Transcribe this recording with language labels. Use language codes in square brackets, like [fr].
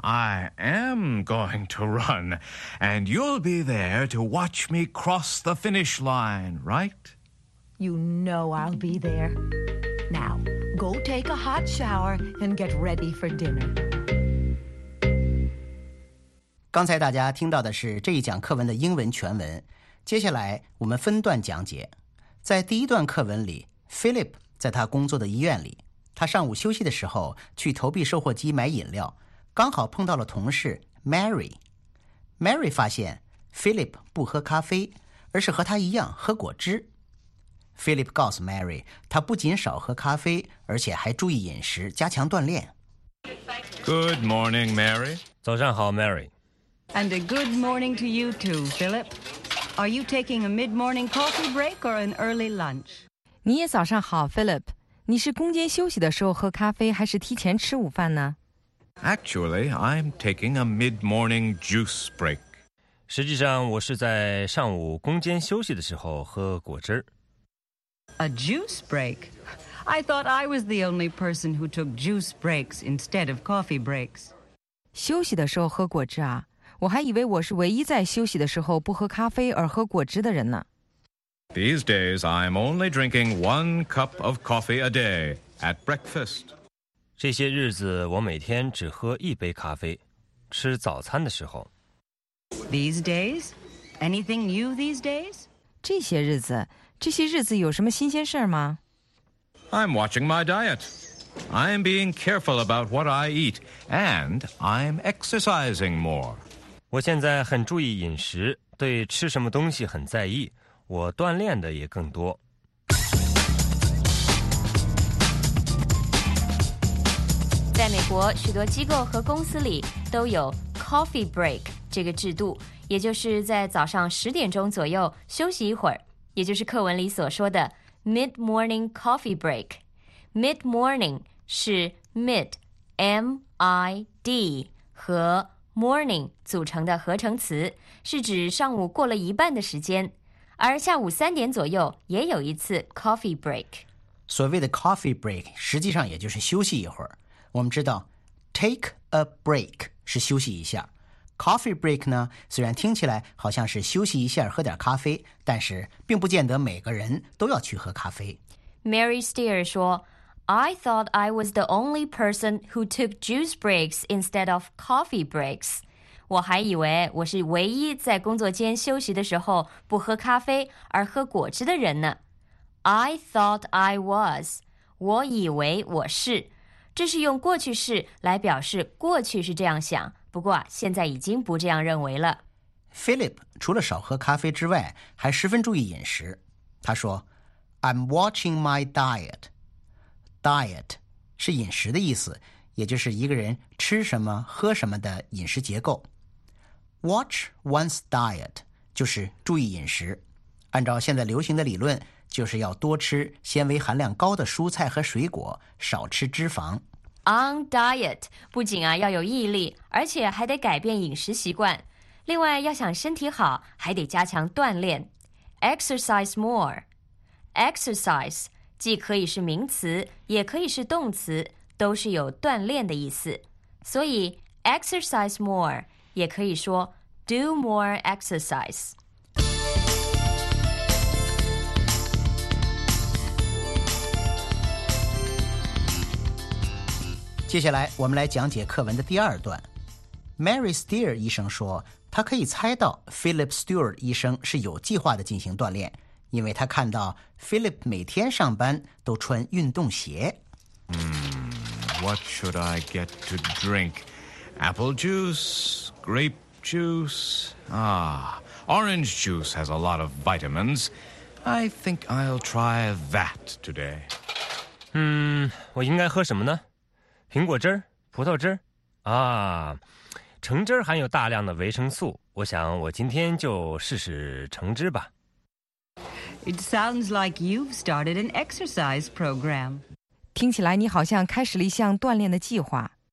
[en] I am going to run. And you'll be there to watch me cross the finish line, right? You know I'll be there. Now, go take a hot shower and get ready for dinner. [zh] 刚才大家听到的是这一讲课文的英文全文。接下来我们分段讲解。在第一段课文里 ，Philip 在他工作的医院里，他上午休息的时候去投币售货机买饮料，刚好碰到了同事 Mary。 Mary 发现 Philip 不喝咖啡，而是和他一样喝果汁。 Philip 告诉 Mary， 他不仅少喝咖啡，而且还注意饮食，加强锻炼。 [en] Good morning, Mary。 [zh] 早上好 ，Mary。 [en] And a good morning to you too, Philip. Are you taking a mid-morning coffee break or an early lunch? [zh] 你也早上好 ,Philip. 你是工间休息的时候喝咖啡还是提前吃午饭呢? [en] Actually, I'm taking a mid-morning juice break. [zh] 实际上我是在上午工间休息的时候喝果汁。 [en] A juice break? I thought I was the only person who took juice breaks instead of coffee breaks. [zh] 休息的时候喝果汁啊? 我还以为我是唯一在休息的时候不喝咖啡而喝果汁的人呢。 [en] These days, I'm only drinking one cup of coffee a day at breakfast. [zh] 这些日子我每天只喝一杯咖啡，吃早餐的时候。 [en] These days? Anything new these days? [zh] 这些日子有什么新鲜事吗？ [en] I'm watching my diet. I'm being careful about what I eat, and I'm exercising more. [zh] 我现在很注意饮食，对吃什么东西很在意，我锻炼的也更多。在美国，许多机构和公司里都有 coffee break 这个制度，也就是在早上10点钟左右休息一会儿，也就是课文里所说的 mid-morning coffee break。 mid-morning 是 mid M-I-D 和morning 组成的合成词，是指上午过了一半的时间，而下午3点左右也有一次 coffee break。所谓的 coffee break 实际上也就是休息一会儿。我们知道 take a break 是休息一下， coffee break 呢虽然听起来好像是休息一下喝点咖啡，但是并不见得每个人都要去喝咖啡。 [en] Mary Steer 说，I thought I was the only person who took juice breaks instead of coffee breaks. [zh] 我还以为我是唯一在工作间休息的时候不喝咖啡而喝果汁的人呢。 [en] I thought I was. 我以为我是。 [zh] 这是用过去式来表示过去是这样想，不过现在已经不这样认为了。 Philip 除了少喝咖啡之外，还十分注意饮食。他说 I'm watching my diet. Diet 是饮食的意思，也就是一个人吃什么喝什么的饮食结构。 Watch one's diet 就是注意饮食，按照现在流行的理论，就是要多吃纤维含量高的蔬菜和水果，少吃脂肪。 On diet 不仅啊要有毅力，而且还得改变饮食习惯，另外要想身体好还得加强锻炼。 [en] Exercise more. [zh] Exercise既可以是名词，也可以是动词，都是有锻炼的意思。所以 exercise more 也可以说 do more exercise。接下来我们来讲解课文的第二段。Mary Steer 医生说，他可以猜到 Philip Stewart 医生是有计划的进行锻炼。因为他看到 Philip 每天上班都穿运动鞋。 [en] What should I get to drink? Apple juice? Grape juice? Orange juice has a lot of vitamins. I think I'll try that today. [zh] 我应该喝什么呢？苹果汁？葡萄汁？橙汁含有大量的维生素。我想我今天就试试橙汁吧。 [en] It sounds like you've started an exercise program. [zh] 听起来你好像开始了一项锻炼的计划。